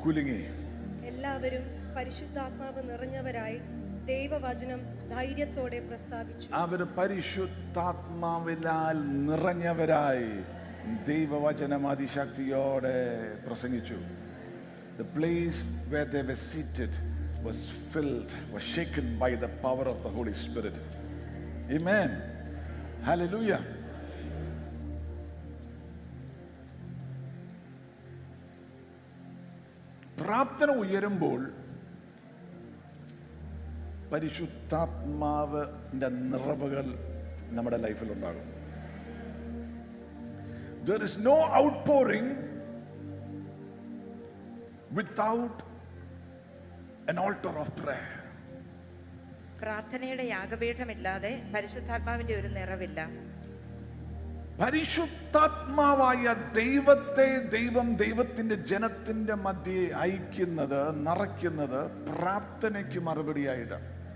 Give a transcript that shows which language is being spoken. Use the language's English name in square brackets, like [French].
[Malayalam] എല്ലാവരും പരിശുദ്ധാത്മാവ് നിറഞ്ഞവരായി ദൈവവചനം ധൈര്യത്തോടെ പ്രസ്താവിച്ചു. അവർ പരിശുദ്ധാത്മാവിനാൽ നിറഞ്ഞവരായി ദൈവവചനം അതിശക്തിയോടെ പ്രസംഗിച്ചു. [English] The place where they were seated was filled, was shaken by the power of the Holy Spirit. Amen. Hallelujah. [Malayalam] പ്രാർത്ഥന ഉയരുമ്പോൾ പരിശുദ്ധാത്മാവിന്റെ നിറവുകൾ നമ്മുടെ ലൈഫിൽ ഉണ്ടാകും. [English] There is no outpouring without an altar of prayer. [Malayalam] പ്രാർത്ഥനയുടെ യാഗപീഠമില്ലാതെ പരിശുദ്ധാത്മാവിന്റെ ഒരു നിറവില്ല. പരിശുദ്ധാത്മാവായ ദൈവത്തെ ദൈവം ദൈവത്തിന്റെ ജനത്തിന്റെ മധ്യെ ഐക്യുന്നത് നിറയ്ക്കുന്നത് പ്രാർത്ഥനയ്ക്ക് മറുപടിയായിട്ടാണ്.